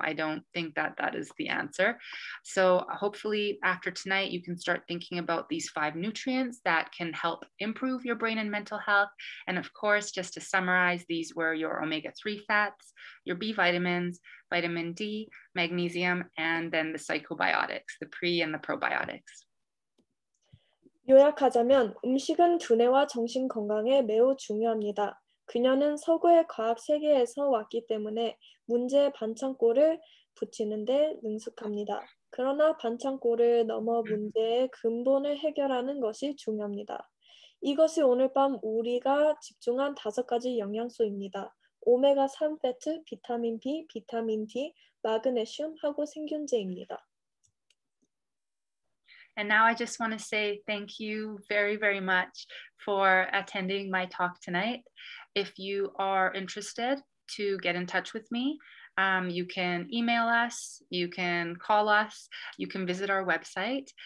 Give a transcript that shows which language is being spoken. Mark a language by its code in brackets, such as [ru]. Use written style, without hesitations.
[en] I don't think that is the answer. So hopefully after tonight, you can start thinking about these five nutrients that can help improve your brain and mental health. And of course, just to summarize, these were your omega-3 fats, your B vitamins, vitamin D, magnesium, and then the psychobiotics, the pre and the probiotics. [ko] 요약하자면 음식은 두뇌와 정신 건강에 매우 중요합니다. 그녀는 서구의 과학 세계에서 왔기 때문에 문제의 반창고를 붙이는 데 능숙합니다. 그러나 반창고를 넘어 문제의 근본을 해결하는 것이 중요합니다. 이것이 오늘 밤 우리가 집중한 다섯 가지 영양소입니다. 오메가 3 패트, 비타민 B, 비타민 D, 마그네슘하고 생균제입니다. [en] And now I just want to say thank you very, very much for attending my talk tonight. If you are interested to get in touch with me, you can email us, you can call us, you can visit our website.